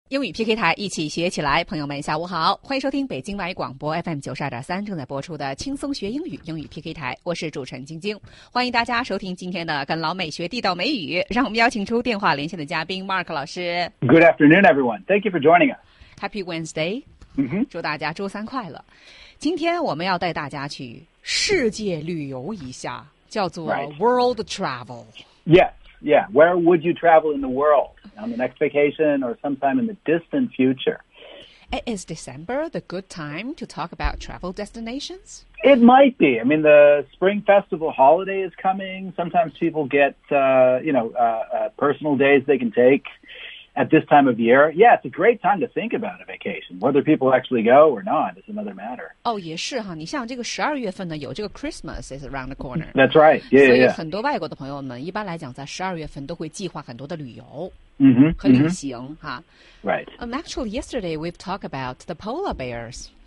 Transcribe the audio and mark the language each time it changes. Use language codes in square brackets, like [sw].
[zh] 英语 PK 台，一起学起来。朋友们下午好，欢迎收听北京外语广播 FM92.3 正在播出的轻松学英语英语 PK 台，我是主持人晶晶，欢迎大家收听今天的跟老美学地道美语。让我们邀请出电话连线的嘉宾 Mark 老师。 [en] Good afternoon everyone, thank you for joining us. Happy Wednesday. [zh] 祝大家周三快乐。今天我们要带大家去世界旅游一下，叫做 World Travel、 [en] right. YesYeah, where would you travel in the world? On the next vacation or sometime in the distant future? Is December the good time to talk about travel destinations? It might be. I mean, the spring festival holiday is coming. Sometimes people get, personal days they can take at this time of year. Yeah, it's a great time to think about a vacation. Whether people actually go or not is another matter. [zh] Oh, 也是哈，你像这个十二月份呢，有这个 [en] Christmas is around the corner. That's right. Yeah, [zh] 所以很多外国的朋友们一般来讲在十二月份都会计划很多的旅游和旅行哈。 [en] Right. Actually, yesterday we've talked about the polar bears.